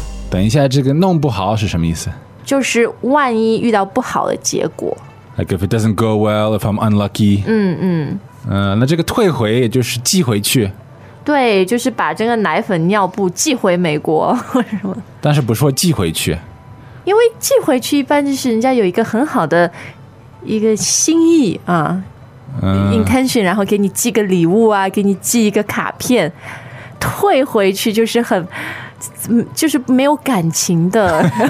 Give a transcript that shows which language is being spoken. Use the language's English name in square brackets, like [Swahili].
[Chinese] 等一下，这个弄不好是什么意思？就是万一遇到不好的结果。 [English] Like if it doesn't go well, if I'm unlucky. [Chinese] 那这个退回也就是寄回去，对，就是把这个奶粉尿布寄回美国什么？但是不说寄回去，因为寄回去一般就是人家有一个很好的一个心意啊，intention， 然后给你寄个礼物啊，给你寄一个卡片，退回去就是很就是没有感情的